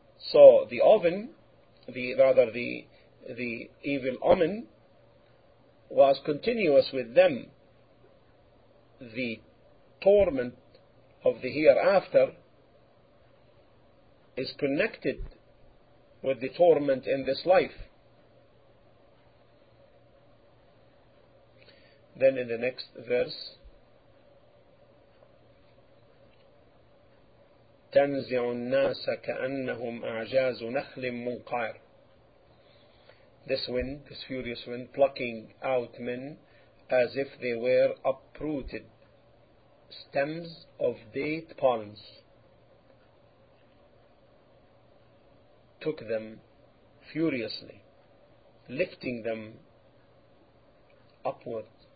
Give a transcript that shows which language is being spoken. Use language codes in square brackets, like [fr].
[en] So the oven, the evil omen was continuous with them. The torment of the hereafter is connected with the torment in this life. Then in the next verse, [ar] تنزع الناس كأنهم أعجاز نخل منقعر. [en] This wind, this furious wind, plucking out men as if they were uprooted stems of date palms, took them furiously, lifting them upward.